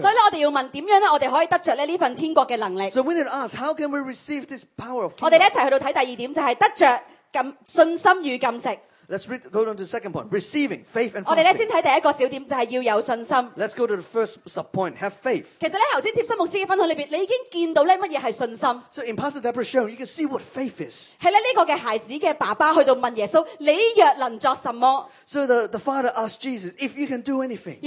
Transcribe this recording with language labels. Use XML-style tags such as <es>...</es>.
<zh>所以我们要问怎样我们可以得着这份天国的能力</zh> <en>So we need to ask, how can we receive this power of kingdom?</en> <zh>我们一起去到看第二点就是得着信心与禁食</zh> <en>Let's read, go on to the second point, receiving, faith and fasting</en> <zh>我们先看第一个小点就是要有信心</zh> <en>Let's go to the first sub-point, have faith</en> <zh>其实刚才贴心牧师的分享里面你已经见到什么是信心</zh> <en>So in Pastor Deborah's sharing, you can see what faith is</en> <zh>是这个孩子的爸爸去到问耶稣你若能做什么</zh> <en>So the father asked Jesus, if you can do anything</en>